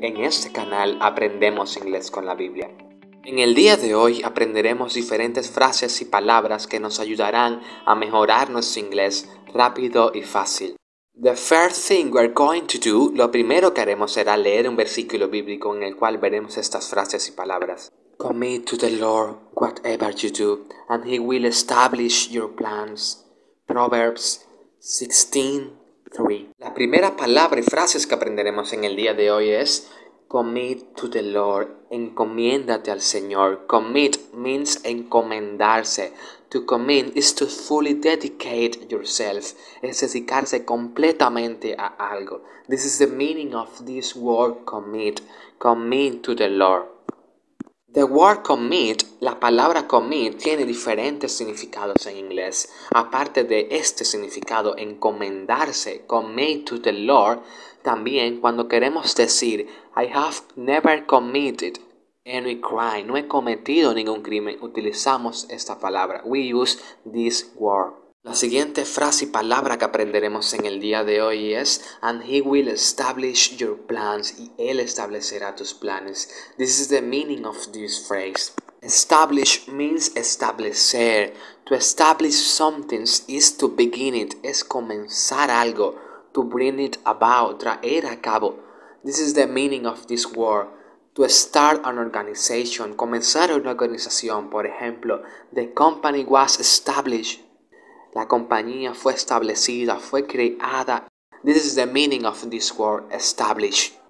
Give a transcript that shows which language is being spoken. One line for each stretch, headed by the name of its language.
Spanish: En este canal aprendemos inglés con la Biblia. En el día de hoy aprenderemos diferentes frases y palabras que nos ayudarán a mejorar nuestro inglés rápido y fácil.
English: The first thing we're going to do,
Spanish: lo primero que haremos será leer un versículo bíblico en el cual veremos estas frases y palabras.
English: Commit to the Lord whatever you do, and He will establish your plans. Proverbs 16:3.
Spanish: La primera palabra y frases que aprenderemos en el día de hoy es
English: commit to the Lord,
Spanish: encomiéndate al Señor.
English: Commit means encomendarse. To commit is to fully dedicate yourself,
Spanish: es dedicarse completamente a algo.
English: This is the meaning of this word commit, commit to the Lord. The word commit,
Spanish: la palabra commit, tiene diferentes significados en inglés. Aparte de este significado, encomendarse, commit to the Lord, también cuando queremos decir,
English: I have never committed any crime,
Spanish: no he cometido ningún crimen, utilizamos esta palabra.
English: We use this word.
Spanish: La siguiente frase y palabra que aprenderemos en el día de hoy es
English: and he will establish your plans,
Spanish: y él establecerá tus planes.
English: This is the meaning of this phrase. Establish means establecer. To establish something is to begin it,
Spanish: es comenzar algo.
English: To bring it about,
Spanish: traer a cabo.
English: This is the meaning of this word. To start an organization,
Spanish: comenzar una organización. Por ejemplo,
English: the company was established.
Spanish: La compañía fue establecida, fue creada.
English: This is the meaning of this word, establish.